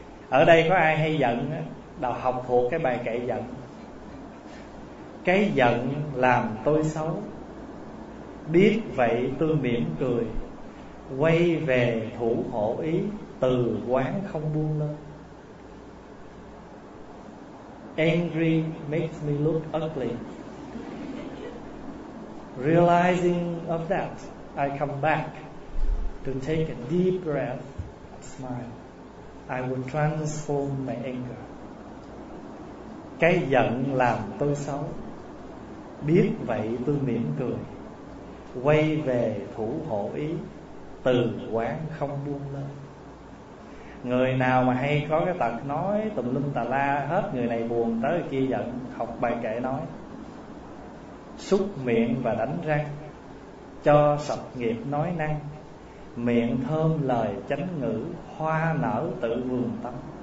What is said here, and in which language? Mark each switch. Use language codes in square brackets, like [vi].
[vi] Ở đây có ai hay giận á, đào học thuộc cái bài kệ giận. Cái giận làm tôi xấu, biết vậy tôi mỉm cười, quay về thủ hộ ý, từ quán không buông lên. [en] Angry makes me look ugly. Realizing of that, I come back to take a deep breath and smile. I will transform my anger. [vi] Cái giận làm tôi xấu, biết vậy tôi mỉm cười, quay về thủ hộ ý, từ quán không buông lên. Người nào mà hay có cái tật nói tùm lum tà la, hết người này buồn tới người kia giận, học bài kệ nói: súc miệng và đánh răng, cho sập nghiệp nói năng, miệng thơm lời chánh ngữ, hoa nở tự vườn tâm.